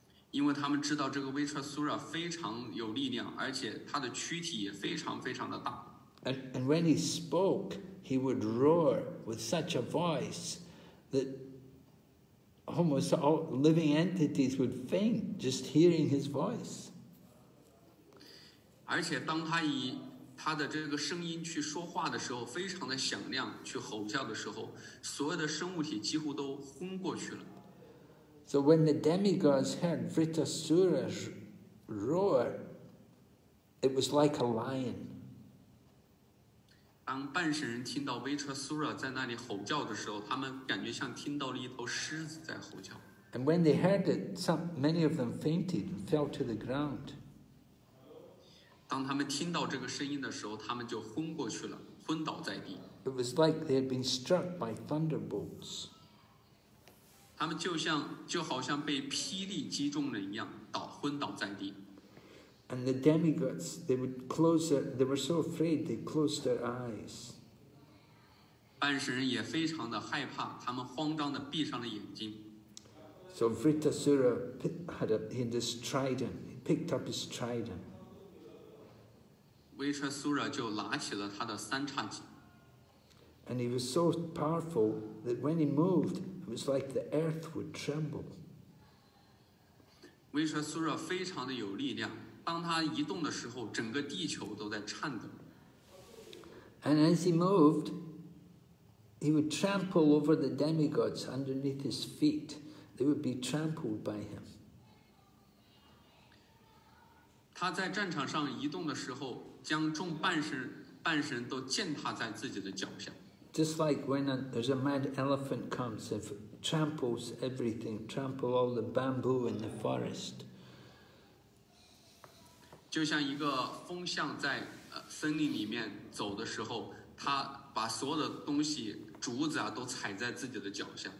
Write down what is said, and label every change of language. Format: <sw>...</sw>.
<zh>因为他们知道这个 Vritasura 非常有力量，而且他的躯体也非常非常的大。</zh> <en>And when he spoke, he would roar with such a voice that almost all living entities would faint just hearing his voice.</en> <zh>而且当他以他的这个声音去说话的时候，非常的响亮，去吼叫的时候，所有的生物体几乎都昏过去了。</zh> <en>So when the demigods heard Vritasura's roar, it was like a lion.</en> <zh>当半神人听到 Vritasura 在那里吼叫的时候，他们感觉像听到了一头狮子在吼叫。</zh> <en>And when they heard it, many of them fainted and fell to the ground.</en> <zh>当他们听到这个声音的时候，他们就昏过去了，昏倒在地。</zh> <en>It was like they had been struck by thunderbolts.</en> <zh>他们就好像被霹雳击中了一样，昏倒在地。</zh> <en>And the demigods, they would they were so afraid they closed their eyes.</en> <zh>半神人也非常的害怕，他们慌张的闭上了眼睛。</zh> <en>So Vritasura had his trident, he picked up his trident.</en> <zh>Vritasura 就拿起了他的三叉戟。</zh> <en>And he was so powerful that when he moved, it was like the earth would tremble.</en> <zh>Vritasura 非常的有力量，当他移动的时候，整个地球都在颤抖。</zh> <en>And as he moved, he would trample over the demigods underneath his feet. They would be trampled by him.</en> <zh>他在战场上移动的时候，将众半神都践踏在自己的脚下。</zh> <en>Just like when there's a mad elephant comes and tramples everything, trample all the bamboo in the forest.</en> <zh>就像一个疯象在森林里面走的时候，他把所有的东西、竹子啊，都踩在自己的脚下。</zh>